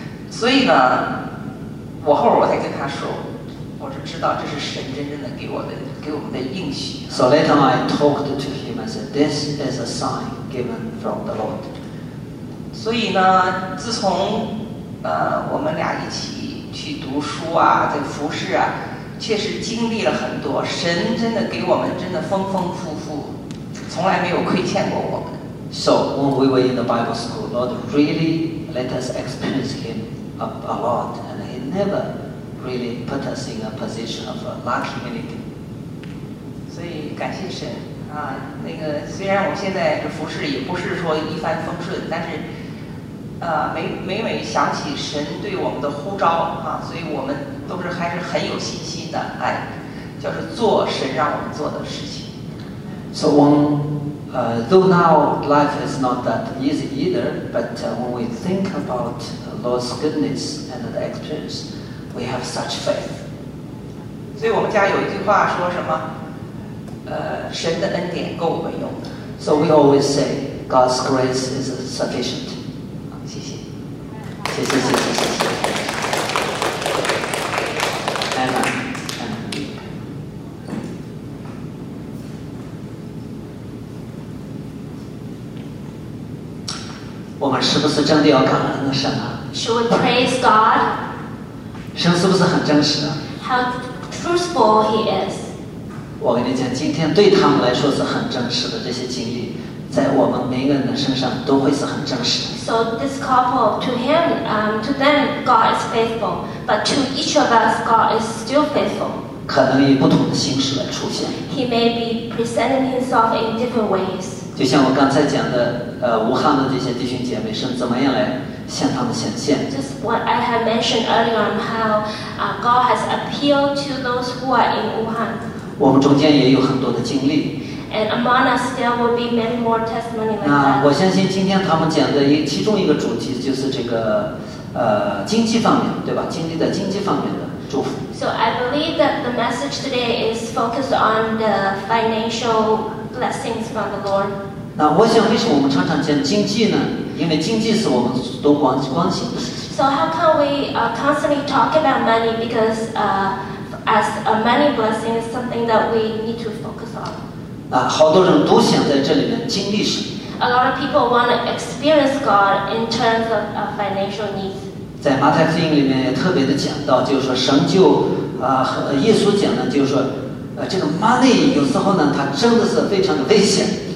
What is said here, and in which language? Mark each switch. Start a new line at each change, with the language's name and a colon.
Chinese: 所以呢，我后来我才跟他说，我是知道这是神真正的给我们的应许。
English: So later I talked to him and said, "This is a sign given from the Lord."
Chinese: 所以呢，自从我们俩一起去读书啊，在服侍啊，确实经历了很多，神真的给我们真的丰丰富富，从来没有亏欠过我们。
English: So when we were in the Bible school, Lord really let us experience him. A lot, and he never really put us in a position of lacking anything.
Chinese: 所以感谢神啊，那个虽然我现在这服侍也不是说一帆风顺，但是每想起神对我们的呼召啊，所以我们都是还是很有信心的，哎，就是做神让我们做的事情。
English: So when though now life is not that easy either, but when we think aboutLord's goodness and the experience, we have such faith.
Chinese: 所以我们家有一句话说什么？神的恩典够我们用。
English: So we always say God's grace is sufficient.
Chinese: 谢谢。谢谢谢谢谢谢。
English: Anna. Anna.
Chinese: 我们是不是真的要感恩的神啊？
English: Should we praise God?
Chinese: 神是不是很真实啊？
English: How truthful he is.
Chinese: 我跟你讲，今天对他们来说是很真实的，这些经历在我们每一个人的身上都会是很真实的。
English: So this couple, to him, to them, God is faithful. But to each of us, God is still faithful.
Chinese: 可能以不同的形式来出现。
English: He may be presenting himself in different ways.
Chinese: 就像我刚才讲的，武汉的这些弟兄姐妹是怎么样来向他们显现。
English: Just what I have mentioned earlier on how God has appealed to those who are in Wuhan.
Chinese: 我们中间也有很多的经历。
English: And among us there will be many more testimony like that.
Chinese: 那我相信今天他们讲的其中一个主题就是这个经济方面，对吧？经历在经济方面的祝福。
English: So I believe that the message today is focused on the financial blessings from the Lord.
Chinese: 那我想为什么我们常常讲经济呢？因为经济是我们都关心的事情。
English: So how can we constantly talk about money? Because as a money blessing is something that we need to focus on.
Chinese: 好多人都想在这里面经历神。
English: A lot of people want to experience God in terms of financial needs.
Chinese: 在马太福音里面也特别的讲到，就是说神就和耶稣讲呢，就是说这个 money 有时候呢，它真的是非常的危险。